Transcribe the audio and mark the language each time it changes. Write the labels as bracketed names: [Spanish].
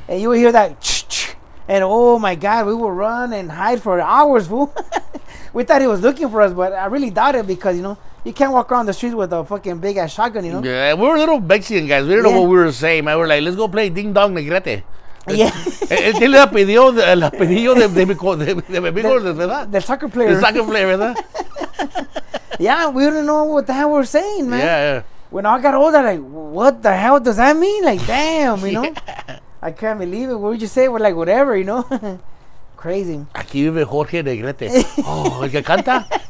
[English] And you would hear that ch-ch. And oh my God, we would run and hide for hours, fool. We thought he was looking for us, but I really doubt it because, you know, you can't walk around the streets with a fucking big ass shotgun, you know? Yeah, we were little Mexican guys. We didn't know what we were saying, man. We were like, let's go play Ding Dong Negrete. Yeah. [Spanish] El pidió la pidió de mi amigo, ¿verdad? [English] The soccer player. The soccer player, ¿verdad? Yeah, we didn't know what the hell we were saying, man. Yeah. When I got older, like, what the hell does that mean? Like, damn, you yeah. know? I can't believe it. What would you say? We're like, whatever, you know? Crazy. [Spanish] Aquí vive Jorge Negrete. Oh, el que canta.